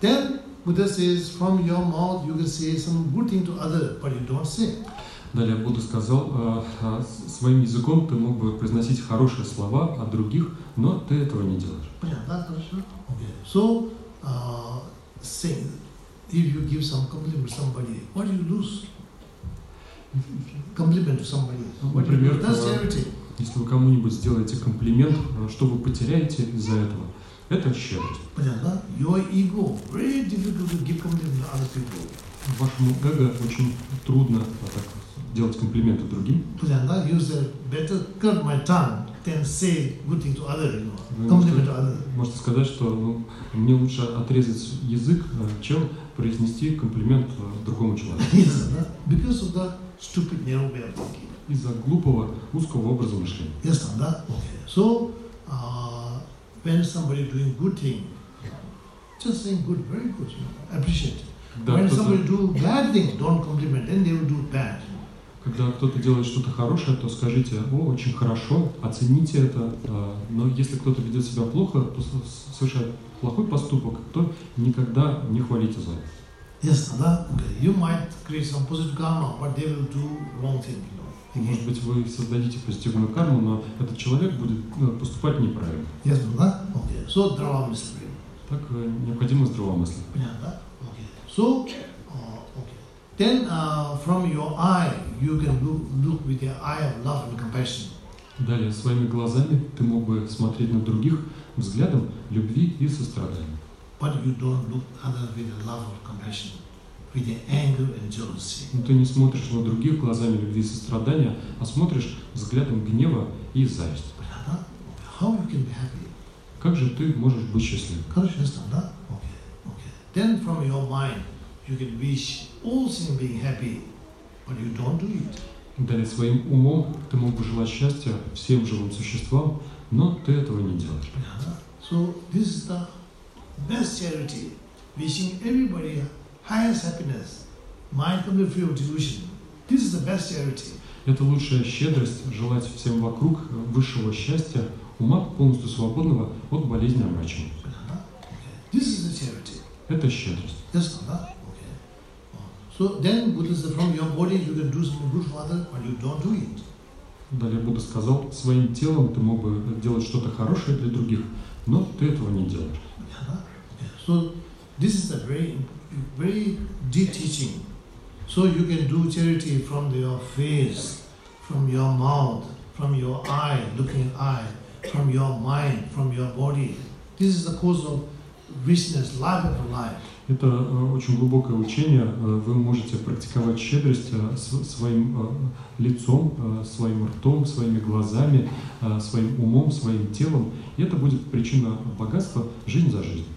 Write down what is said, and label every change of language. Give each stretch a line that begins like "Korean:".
English: Then Buddha says, from your mouth you can say some good thing to other, but you don't say.
Russian: Далее Будда сказал, своим языком ты мог бы произносить хорошие слова о других, но ты этого не делаешь. Понятно, да? Хорошо. Okay.
English: So, saying, if you give some compliment to somebody, what do you lose? Compliment to somebody.
Russian: Например,
English: that's charity.
Russian: Если вы кому-нибудь сделаете комплимент, что вы потеряете из-за этого? Это щедрость. Понятно?
English: Your ego. Very difficult to give compliment to other people.
Russian: Вашему эго очень трудно так делать комплименты другим. Понятно?
English: You say, better cut my tongue than say good thing to other, you know. Compliment to other.
Russian: Можете сказать, что мне лучше отрезать язык, чем произнести комплимент другому человеку.
English: Because of that stupid narrow way of thinking.
Russian: Из-за глупого, узкого образа мышления. Ясно, да? Okay.
English: So, when somebody doing good thing, just saying good, very good, you know, appreciate.
Russian: Да,
English: when somebody do bad thing, don't compliment, then they will do bad.
Russian: Когда кто-то делает что-то хорошее, то скажите, о, очень хорошо, оцените это. Но если кто-то ведет себя плохо, то совершает плохой поступок, то никогда не хвалите за это. Ясно, да? Okay.
English: You might create some positive karma, but they will do wrong thing.
Russian: Может быть, вы создадите позитивную карму, но этот человек будет поступать неправильно.
English: Yes,
Russian: да?
English: Okay. So, здравомыслие.
Russian: Так, необходимо здравомыслие. Понятно, да?
English: Okay. So, okay. Then, from your eye, you can look with your eye of love and compassion.
Russian: Далее, своими глазами ты мог бы смотреть на других взглядом любви и сострадания.
English: But you don't look at others with love or compassion. With the anger and jealousy.
Russian: Но ты не смотришь на других глазами любви и сострадания, а смотришь взглядом гнева и зависти.
English: How you can be happy?
Russian: Как же ты можешь быть счастливым? Хорошо, ясно, да?
English: Okay, okay. Then from your mind you can wish all things being happy, but you don't do it.
Russian: Далее своим умом ты мог бы желать счастья всем живым существам, но ты этого не делаешь.
English: So this is the best charity, wishing everybody highest happiness, mind can be free of delusion. This is the best charity.
Russian: Это лучшая щедрость, желать всем вокруг высшего счастья, ума полностью свободного от болезни омрачения.
English: This is the charity.
Russian: Это щедрость.
English: Yes,
Russian: да?
English: Okay. So then Buddha said, from your body you can do something good for others, but you don't do it.
Russian: Далее Будда сказал, своим телом ты мог бы делать что-то хорошее для других, но ты этого не делаешь.
English: So this is a very very deep teaching. So you can do charity from your face, from your mouth, from your eye, looking eye, from your mind, from your body. This is the cause of richness, life of life.
Russian: Это очень глубокое учение. Вы можете практиковать щедрость своим лицом, своим ртом, своими глазами, своим умом, своим телом. И это будет причина богатства жизнь за жизнь.